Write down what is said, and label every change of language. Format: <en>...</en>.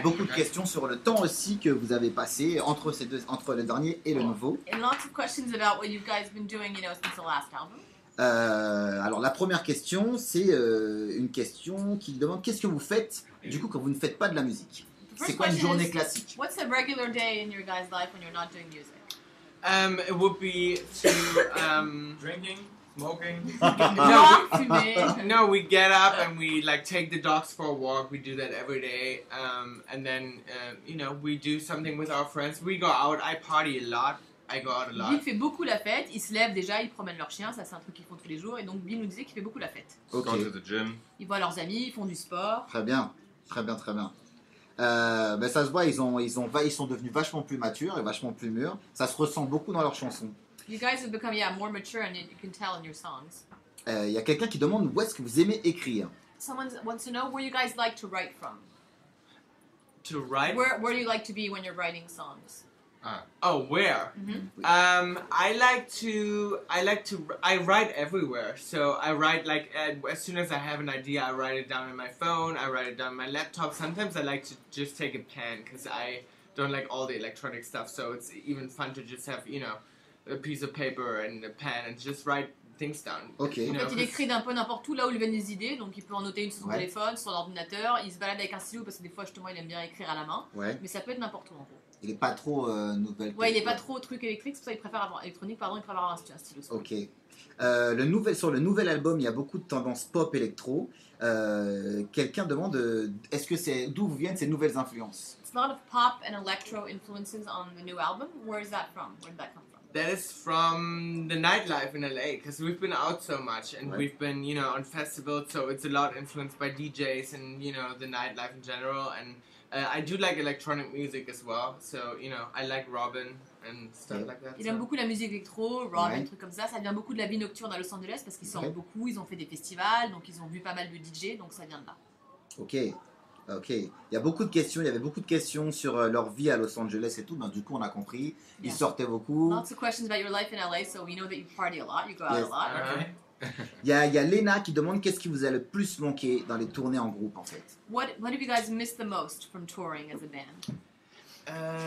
<fr>Et beaucoup de questions sur le temps aussi que vous avez passé entre ces deux, entre le dernier et le nouveau.</fr> <en>And lots of questions about what you've guys been doing, you know, since the last album.</en> <fr>Alors la première question, c'est une question qui demande qu'est-ce que vous faites du coup quand vous ne faites pas de la musique. C'est quoi une journée classique?</fr> <en>What's a regular day in your guys' life when you're not doing music? It would be to drinking, smoking. No, no, we get up and we like take the dogs for a walk. We do that every day, and then you know we do something with our friends. We go out. I party a lot. I go out a lot.</en> <fr>Bill fait beaucoup la fête. Il se lève déjà. Il promène leurs chiens. Ça c'est un truc qu'ils font tous les jours. Et donc Bill nous disait qu'il fait beaucoup la fête.</fr> <en>Okay. Go to the gym.</en> <fr>Ils voient leurs amis. Ils font du sport. Très bien, très bien, très bien. Ben ça se voit, ils sont devenus vachement plus matures et vachement plus mûrs. Ça se ressent beaucoup dans leurs chansons.</fr> <en>You guys have become more mature and you can tell in your songs.</en> <fr>Il y a quelqu'un qui demande où est-ce que vous aimez écrire.</fr> <en>Someone wants to know where you guys like to write from. To write. Where do you like to be when you're writing songs? Oh, where? Mm-hmm. I write everywhere. So I write like as soon as I have an idea, I write it down in my phone. I write it down on my laptop. Sometimes I like to just take a pen because I don't like all the electronic stuff. So it's even fun to just have, you know, a piece of paper and a pen and just write things down. Okay.</en> <fr>En fait, il écrit d'un peu n'importe où là où il vient des idées. Donc il peut en noter une sur son téléphone, sur l'ordinateur. Il se balade avec un stylo parce que des fois justement il aime bien écrire à la main. Ouais. Mais ça peut être n'importe où en gros. Il n'est pas trop nouvelle. Ouais, il n'est pas trop truc électrique, c'est pour ça qu'il préfère avoir électronique, pardon, il préfère avoir un stylo. Ok. Sur le nouvel album, il y a beaucoup de tendances pop électro. Quelqu'un demande, est-ce que c'est d'où viennent ces nouvelles influences?</fr> <en>It's a lot of pop and electro influences on the new album. Where is that from? Where did that come from? That is from the nightlife in LA, because we've been out so much and we've been, you know, on festivals, so it's a lot influenced by DJs and, you know, the nightlife in general and. I do like electronic music as well, so you know I like Robin and stuff like that.</en> <fr>Il aime beaucoup la musique électro, Robin, des trucs comme ça. Ça vient beaucoup de la vie nocturne à Los Angeles parce qu'ils sortent beaucoup, ils ont fait des festivals, donc ils ont vu pas mal de DJ, donc ça vient de là. Ok, ok. Il y a beaucoup de questions. Il y avait beaucoup de questions sur leur vie à Los Angeles et tout. Ben du coup, on a compris. Ils sortaient beaucoup.</fr> <en>Lots of questions about your life in LA, so we know that you party a lot, you go out a lot. Okay.</en> <fr>Il y a Lena qui demande qu'est-ce qui vous a le plus manqué dans les tournées en groupe en fait.</fr> <en>What have you guys missed the most from touring as a band?</en>